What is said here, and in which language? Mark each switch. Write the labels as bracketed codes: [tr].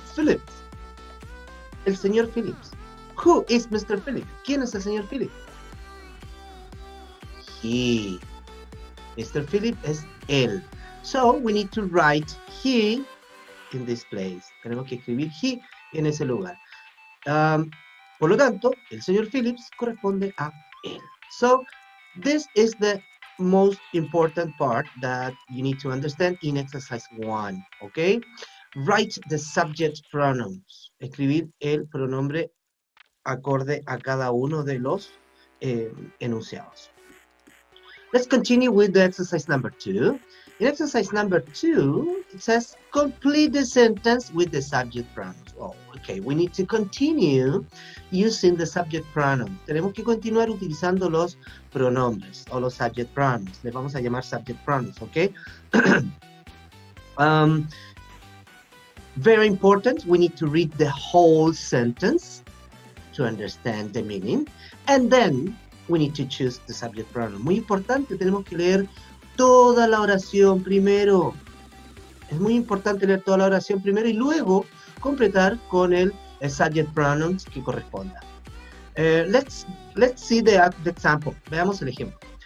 [es] Phillips, el señor Phillips. [en] Who is Mr. Philip? [es] ¿Quién es el señor Philip? He. Mr. Philip es él. [en] So, we need to write he in this place. [es] Tenemos que escribir he en ese lugar. Por lo tanto, el señor Phillips corresponde a él. [en] So, this is the most important part that you need to understand in exercise one. Okay? Write the subject pronouns. [es] Escribir el pronombre acorde a cada uno de los enunciados. [en] Let's continue with the exercise number two. In exercise number two, it says complete the sentence with the subject pronouns. Oh, okay, we need to continue using the subject pronouns. [es] Tenemos que continuar utilizando los pronombres o los subject pronouns. Le vamos a llamar subject pronouns, okay? [en] very important, we need to read the whole sentence to understand the meaning, and then we need to choose the subject pronoun. [es] Muy importante, tenemos que leer toda la oración primero. Es muy importante leer toda la oración primero y luego completar con el subject pronoun que corresponda. [en] Let's see the example. [es] Veamos el ejemplo.